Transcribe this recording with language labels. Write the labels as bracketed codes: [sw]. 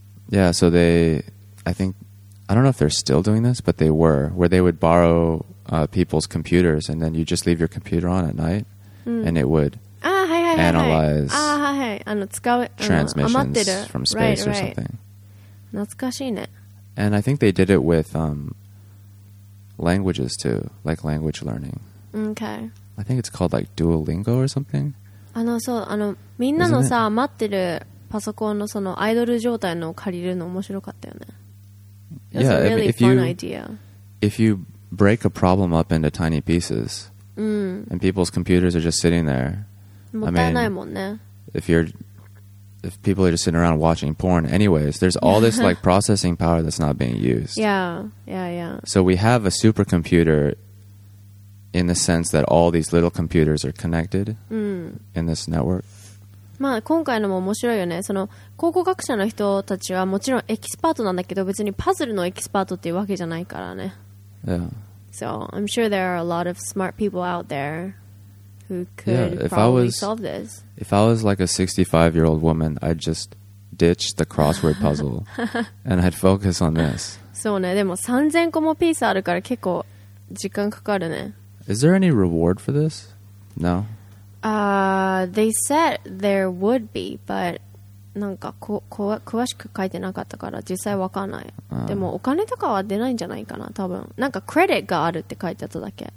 [en] Yeah, so I don't know if they're still doing this, but they were, where they would borrow people's computers and then you just leave your computer on at night and it would analyze transmissions from space right, or something. [ja] 懐かしいね. [en] And I think they did it with languages too, like language learning. Okay. I think it's called like Duolingo or something. [ja] そう、みんなのさ、待ってるパソコンのそのアイドル状態のを借りるの面白かったよね。 [en] Yeah, that's a really fun idea. If you break a problem up into tiny pieces, and people's computers are just sitting there, [ja] もったいないもんね。 [en] If people are just sitting around watching porn anyways, there's all this like processing power that's not being used. Yeah. So we have a supercomputer... in the sense that all these little computers are connected in this network. [ja] まあ今回のも面白いよね。その考古学者の人たちはもちろんエキスパートなんだけど、別にパズルのエキスパートっていうわけじゃないからね。 [en] Yeah. So I'm sure there are a lot of smart people out there who could solve this. If I was like a 65-year-old woman, I'd just ditch the crossword puzzle and I'd focus on this. [ja] そうね。でも3000個もピースあるから結構時間かかるね。 [en] Is there any reward for this? No? They said there would be, but [ja] なんか詳しく書いてなかったから実際わかんない。でもお金とかは出ないんじゃないかな、多分。なんかクレジットがあるって書いてあっただけ。